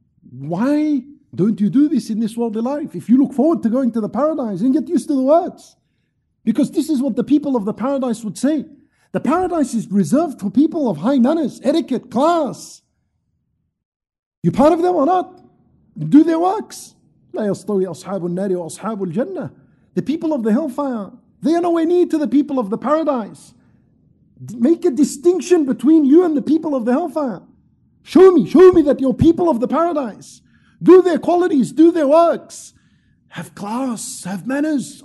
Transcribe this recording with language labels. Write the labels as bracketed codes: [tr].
[en] Why don't you do this in this worldly life? If you look forward to going to the paradise, then get used to the words. Because this is what the people of the paradise would say. The paradise is reserved for people of high manners, etiquette, class. You part of them or not? Do their works. [ar] لا يستوي أصحاب النار وأصحاب الجنة. [en] The people of the hellfire, they are nowhere near to the people of the paradise. Make a distinction between you and the people of the hellfire. Show me that you're people of the paradise. Do their qualities, do their works. Have class, have manners.